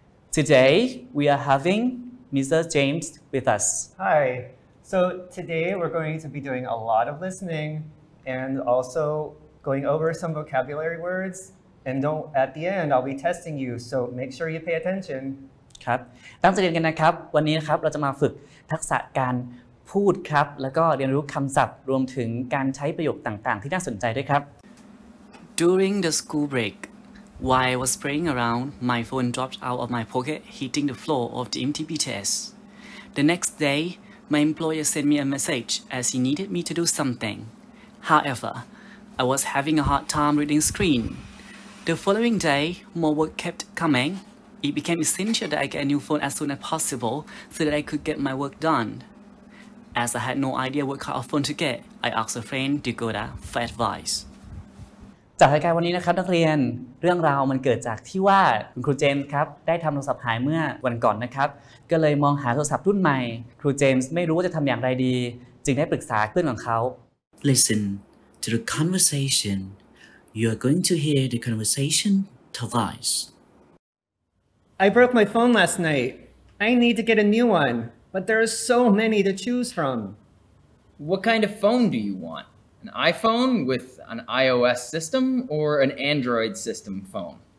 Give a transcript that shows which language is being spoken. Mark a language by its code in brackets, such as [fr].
[en] Today, we are having Mr. James with us. Hi. So today, we're going to be doing a lot of listening and also going over some vocabulary words. And don't, at the end, I'll be testing you, so make sure you pay attention. [th] ครับตั้งใจเรียนกันนะครับวันนี้นะครับเราจะมาฝึกทักษะการพูดครับแล้วก็เรียนรู้คำศัพท์รวมถึงการใช้ประโยคต่างๆที่น่าสนใจด้วยครับ [en] During the school break, while I was playing around, my phone dropped out of my pocket, hitting the floor of the MTB test. The next day, my employer sent me a message as he needed me to do something. However, I was having a hard time reading screen. The following day, more work kept coming. It became essential that I get a new phone as soon as possible so that I could get my work done. As I had no idea what kind of phone to get, I asked a friend, Dakota, for advice. [th] จากรายการวันนี้นะครับนักเรียนเรื่องราวมันเกิดจากที่ว่าคุณครูเจมส์ครับได้ทำโทรศัพท์หายเมื่อวันก่อนนะครับก็เลยมองหาโทรศัพท์รุ่นใหม่ครูเจมส์ไม่รู้ว่าจะทำอย่างไรดีจึงได้ปรึกษาเพื่อนของเขา [en] Listen to the conversation. You are going to hear the conversation twice. I broke my phone last night. I need to get a new one, but there are so many to choose from. What kind of phone do you want? An iPhone with an iOS system or an Android system phone?